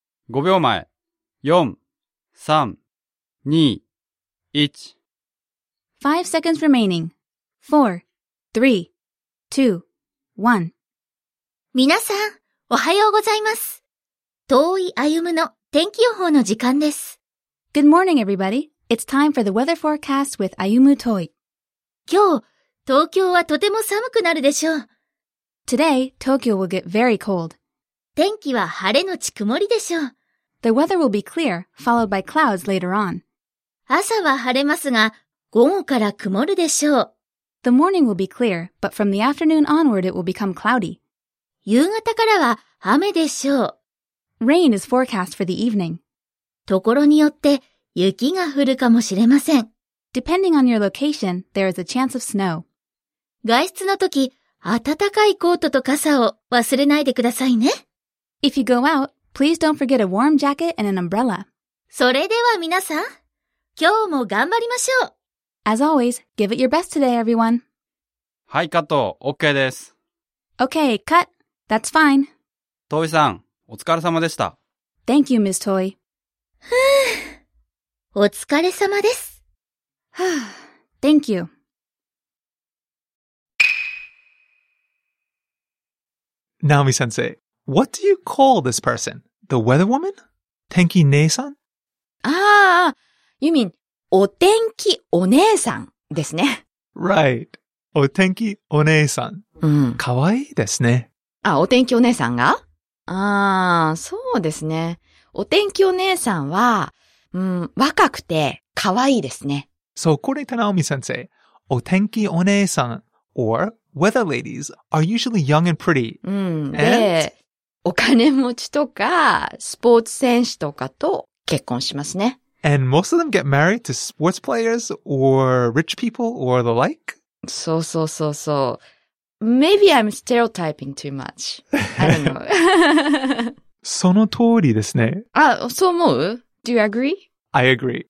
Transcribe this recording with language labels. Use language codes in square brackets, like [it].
[ja] 5秒前、4、3、2、1. [en] 5 seconds remaining. 4, 3, 2, 1. [ja] 皆さん、おはようございます。遠い歩むの天気予報の時間です。 [en] Good morning, everybody. It's time for the weather forecast with Ayumu Toi. [ja] 今日、東京はとても寒くなるでしょう。 [en] Today, Tokyo will get very cold. [ja] 天気は晴れのち曇りでしょう。 [en] The weather will be clear, followed by clouds later on. [ja] 朝は晴れますが、午後から曇るでしょう。 [en] The morning will be clear, but from the afternoon onward it will become cloudy. [ja] 夕方からは雨でしょう。 [en] Rain is forecast for the evening. [ja] ところによって雪が降るかもしれません。 [en] Depending on your location, there is a chance of snow. [ja] 外出の時、暖かいコートと傘を忘れないでくださいね。 [en] If you go out, please don't forget a warm jacket and an umbrella. [ja] それでは皆さん、今日も頑張りましょう。 [en] As always, give it your best today, everyone. [ja] はい、カット、OK です。 [en] Okay, cut. That's fine. [ja] トイさん、お疲れ様でした。 [en] Thank you, Ms. Toy. [ja] お疲れ様です。 [en] Thank you. Naomi-sensei, what do you call this person? The weather woman? Tenki-nei-san? Ah, you mean, otenki-onei-san [ja] ですね。 [en] Right. Otenki-onei-san. [ja] かわいいですね。あ、otenki-onei-san が？ああ、そうですね。 otenki-onei-san は、若くてかわいいですね。 [en] So, according to Naomi-sensei, otenki-onei-san or... Weather ladies are usually young and pretty. And [ja] お金持ちとかスポーツ選手とかと結婚しますね。 [en] And most of them get married to sports players or rich people or the like. [ja] そうそうそうそう。 [en] Maybe I'm stereotyping too much. I don't know. [ja] その通りですね。あ、そう思う？ [en] Do you agree? I agree.